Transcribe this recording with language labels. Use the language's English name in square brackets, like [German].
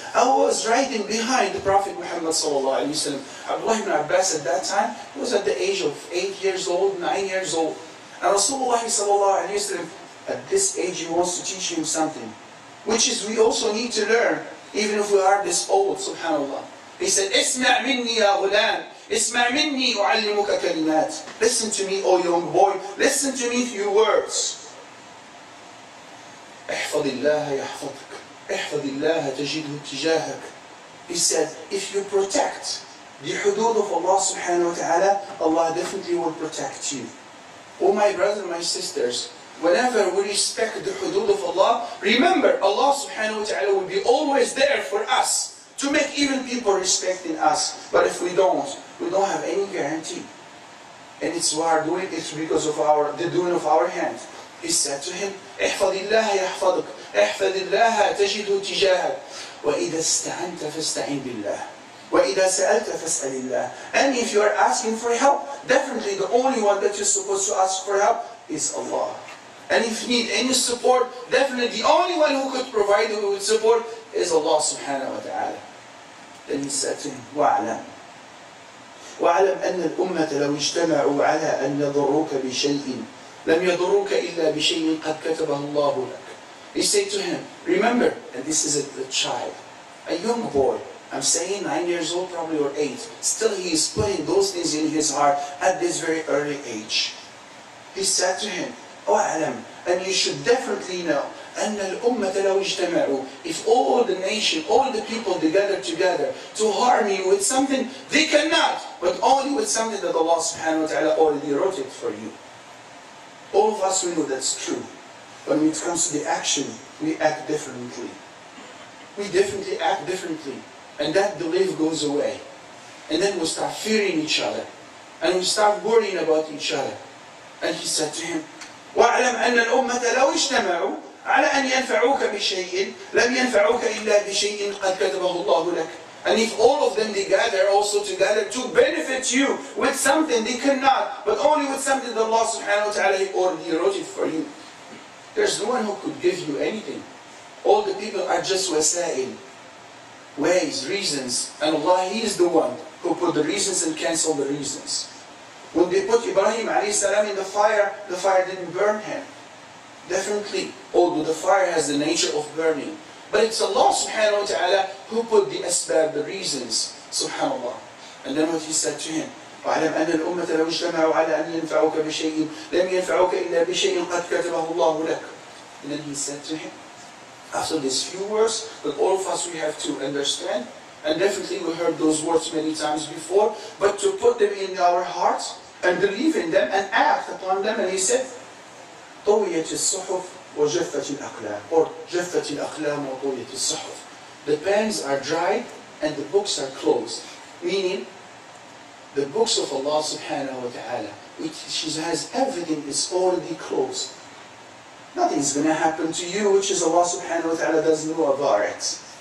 [English] I was riding behind the Prophet Muhammad صلى الله عليه وسلم. Abdullah ibn Abbas at that time was at the age of 8 years old, 9 years old. And Rasulullah صلى الله عليه وسلم, at this age, he wants to teach him something, which is we also need to learn, even if we are this old, subhanAllah. [Arabic] He said, اسمع مني يا غلام. [English] اسمع مني أعلمك كلمات. Listen to me, O young boy. [Arabic] Listen to me, few words. احفظ الله يحفظك احفظ الله تجده اتجاهك. [English] He said, if you protect the hudud of Allah subhanahu wa ta'ala, Allah definitely will protect you. Oh my brothers, my sisters, whenever we respect the hudud of Allah, remember Allah subhanahu wa ta'ala will be always there for us to make even people respecting us. But if we don't, we don't have any guarantee. And it's why we are doing it, because of the doing of our hand. [Arabic] He said to him, احفظ الله يحفظك احفظ الله تجد اتجاهك وإذا استعنت فاستعين بالله وإذا سألت فاسأل الله. [English] And if you are asking for help, definitely the only one that you're supposed to ask for help is Allah. And if you need any support, definitely the only one who could provide you with support is Allah subhanahu wa ta'ala. [Arabic] Then he said to him, وعلم وعلم أن الأمة لو اجتمعوا على أن يضروك بشيء لم يضروك إلا بشيء قد كتبه الله لك. [English] He said to him, remember, and this is a child, a young boy, I'm saying 9 years old probably or 8, still he is putting those things in his heart at this very early age. He said to him, أعلم, and you should definitely know, أن الأمة لو اجتمعوا, if all the nation, all the people together to harm you with something, they cannot, but only with something that Allah subhanahu wa ta'ala already wrote it for you. All of us, we know that's true. But when it comes to the action, we act differently. We definitely act differently. And that belief goes away. And then we start fearing each other. And we start worrying about each other. [Arabic] And he said to him, وَعْلَمْ أَنَّ الْأُمَّةَ لَوْ اجْتَمَعُوا عَلَىٰ أَنْ يَنْفَعُوكَ بِشَيْءٍ لَمْ يَنْفَعُوكَ إِلَّا بِشَيْءٍ قَدْ كَتَبَهُ اللَّهُ لَكَ. [English] And if all of them, they gather also together to benefit you with something, they cannot, but only with something that Allah subhanahu wa ta'ala already wrote it for you. There's no one who could give you anything. All the people are just wasail, ways, reasons. And Allah, He is the one who put the reasons and cancel the reasons. When they put Ibrahim alayhi salam in the fire didn't burn him. Definitely, although the fire has the nature of burning. But it's Allah subhanahu wa ta'ala who put the asbab, the reasons, subhanAllah. [Arabic] And then what he said to him, وَعَلَمْ أَنَّ الْأُمَّةَ لَوْ اجْتَمَعُوا عَلَىٰ أَنْ يَنْفَعُوكَ بِشَيْءٍ لَمْ يَنْفَعُوكَ إِلَّا بِشَيْءٍ قَدْ كَتَبَهُ اللَّهُ لَكَ. [English] And then he said to him, after these few words that all of us we have to understand, and definitely we heard those words many times before, but to put them in our hearts and believe in them and act upon them. [Arabic] And he said, طُوِيَتِ الصُّحُفُ وَجَفَّتِ الْأَقْلَامُ or جَفَّتِ الْأَقْلَامُ وَطُوِيَتِ الصُّحُفُ. [English] The pens are dry and the books are closed. Meaning, the books of Allah subhanahu wa ta'ala, which has everything, is already closed. Nothing's going to happen to you, which is Allah subhanahu wa ta'ala doesn't know about it.